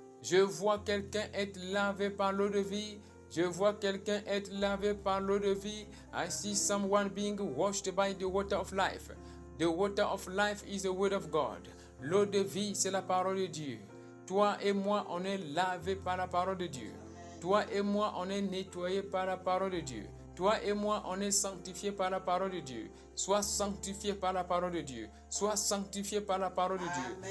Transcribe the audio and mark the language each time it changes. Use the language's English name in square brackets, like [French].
[French] Je vois quelqu'un être lavé par l'eau de vie. Je vois quelqu'un être lavé par l'eau de vie. [English] I see someone being washed by the water of life. The water of life is the word of God. [French] L'eau de vie, c'est la parole de Dieu. Toi et moi, on est lavé par la parole de Dieu. Toi et moi, on est nettoyé par la parole de Dieu. Toi et moi, on est sanctifié par la parole de Dieu. Sois sanctifié par la parole de Dieu. Sois sanctifié par la parole de Dieu.